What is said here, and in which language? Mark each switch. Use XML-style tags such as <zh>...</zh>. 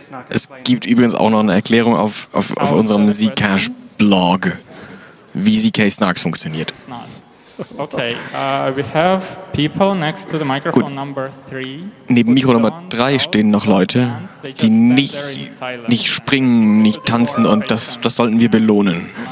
<de>Es gibt übrigens auch noch eine Erklärung auf unserem Zcash-Blog, wie Zk-Snarks funktioniert.</de> <en>Okay, we have people next to the microphone number three.</en> <de>Neben Mikro Nummer 3 stehen noch Leute, die nicht springen, nicht tanzen, und das sollten wir belohnen.</de>